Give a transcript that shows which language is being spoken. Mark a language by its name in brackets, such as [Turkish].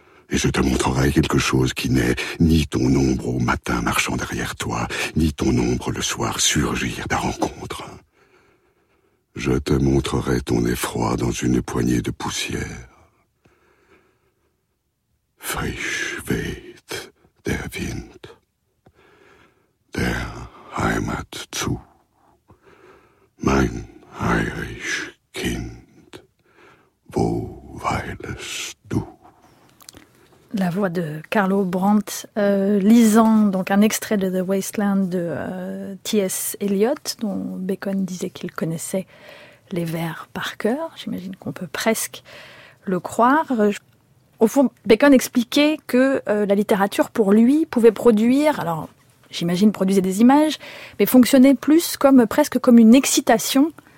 [French] Et je te montrerai quelque chose qui n'est ni ton ombre au matin marchant derrière toi, ni ton ombre le soir surgir de rencontre. Je te montrerai ton effroi dans une poignée de poussière. [German] Frisch weht der Wind, der Heimat zu, mein heilig Kind, wo weilest du? [French] La voix de Carlo Brandt lisant donc un extrait de The Wasteland de T.S. Eliot, dont Bacon disait qu'il connaissait les vers par cœur. J'imagine qu'on peut presque le croire. Au fond, Bacon expliquait que la littérature, pour lui, pouvait produire, alors j'imagine produisait des images, mais fonctionnait plus comme presque comme une excitation